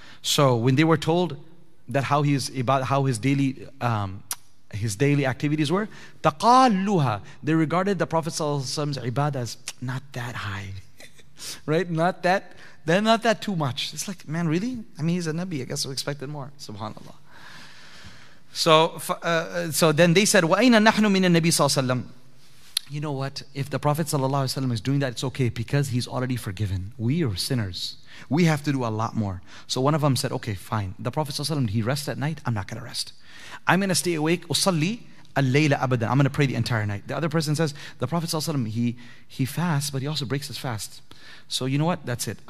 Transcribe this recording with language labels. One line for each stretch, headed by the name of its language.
English: So when they were told that how his daily activities were, taqalluha, they regarded the Prophet sallallahu alaihi wasallam's ibadah as not that high. Right? Not that They're not that too much. It's like, man, really? I mean, he's a Nabi. I guess we expected more. Subhanallah. So then they said,
Arabic: وَأَيْنَ نَحْنُ مِنَ النَّبِي صَلَّى اللَّهُ عَلَيْهِ وَسَلَّمَ.
English: You know what? If the Prophet ﷺ is doing that, it's okay because he's already forgiven. We are sinners. We have to do a lot more. So one of them said, okay, fine. The Prophet ﷺ, he rests at night. I'm not going to rest. I'm going to stay awake.
Arabic: Usalli al-layla abadan.
English: I'm going to pray the entire night. The other person says, the Prophet ﷺ, he fasts, but he also breaks his fast. So you know what? That's it.